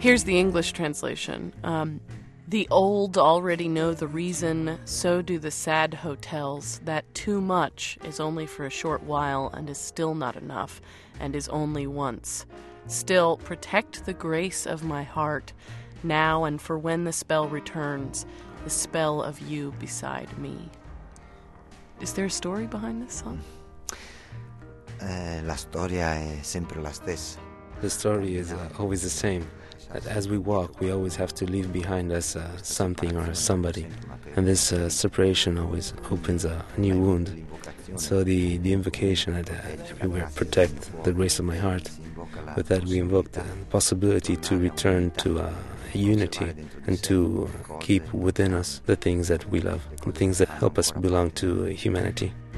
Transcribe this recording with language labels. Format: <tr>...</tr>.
<en>Here's the English translation. The old already know the reason, so do the sad hotels, that too much is only for a short while and is still not enough, and is only once. Still, protect the grace of my heart, now and for when the spell returns, the spell of you beside me. Is there a story behind this song?</en> <it>La storia è sempre la stessa.</it> <en>The story is always the same. That as we walk, we always have to leave behind us something or somebody. And this separation always opens a new wound. So the invocation that everywhere protect the grace of my heart, with that we invoke the possibility to return to unity and to keep within us the things that we love, the things that help us belong to humanity.</en>